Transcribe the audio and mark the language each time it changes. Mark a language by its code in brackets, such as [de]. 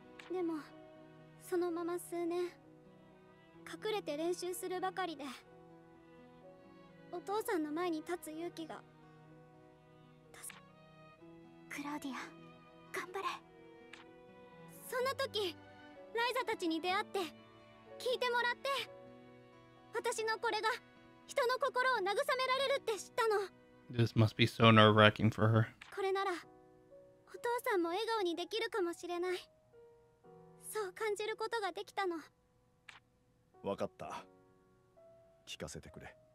[ja] でも、そのまま数年、隠れて練習するばかりで、お父さんの前に立つ勇気が。クラウディア、頑張れ。そんな時、ライザたちに出会って、聞いてもらって、私のこれが、人の心を慰められるって知ったの。 [en] This must be so nerve-wracking for her. [ja] これなら、お父さんも笑顔にできるかもしれない。そう感じることができたの。わかった。聞かせてくれ。